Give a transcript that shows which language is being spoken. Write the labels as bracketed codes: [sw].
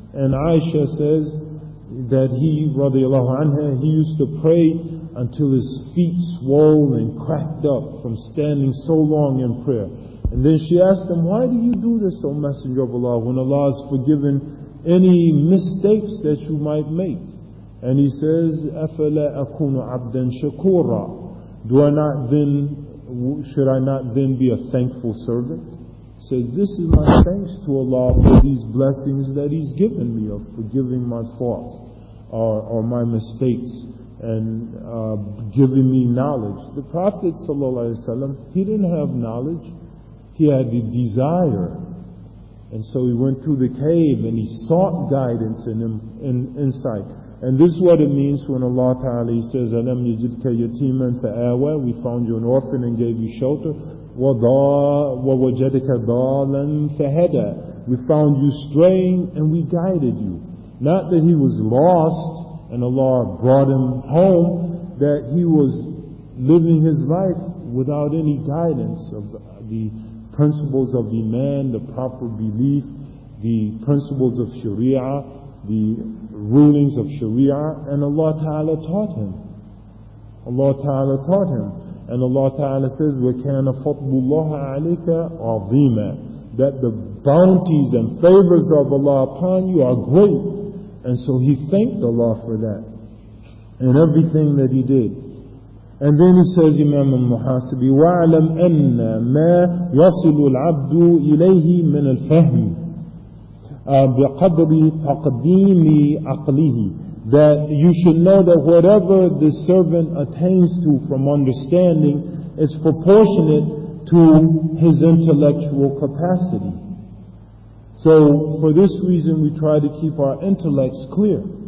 [en] And Aisha says that he, radiallahu anha, he used to pray until his feet swole and cracked up from standing so long in prayer. And then she asked him, why do you do this, O Messenger of Allah, when Allah has forgiven any mistakes that you might make? And he says, [ar] أَفَلَا أَكُونُ عَبْدًا شَكُورًا. [en] Should I not then be a thankful servant? Says, so this is my thanks to Allah for these blessings that He's given me of forgiving my faults or my mistakes and giving me knowledge. The Prophet ﷺ, he didn't have knowledge. He had the desire. And so he went to the cave and he sought guidance and insight. And this is what it means when Allah Ta'ala says, [ar] أَلَمْ يَجِدْكَ يَتِيمًا فَآوَى. [en] We found you an orphan and gave you shelter. [ar] وَوَجَدِكَ ضَالًا فَهَدَى. [en] We found you straying and we guided you. Not that he was lost and Allah brought him home, that he was living his life without any guidance of the principles of Iman, the proper belief, the principles of Sharia, the rulings of Sharia, and Allah Ta'ala taught him. Allah Ta'ala taught him. And Allah Ta'ala says, [ar] وَكَانَ فَطْبُ اللَّهَ عَلَيْكَ عَظِيمًا. [en] That the bounties and favors of Allah upon you are great. And so he thanked Allah for that and everything that he did. And then he says, Imam al-Muhasibi, [ar] وَعَلَمْ أَنَّ مَا يَصِلُ الْعَبْدُ إِلَيْهِ مِنَ الْفَهْمِ بِقَدْرِ تَقْدِيمِ عَقْلِهِ. [en] That you should know that whatever the servant attains to from understanding is proportionate to his intellectual capacity. So for this reason we try to keep our intellects clear.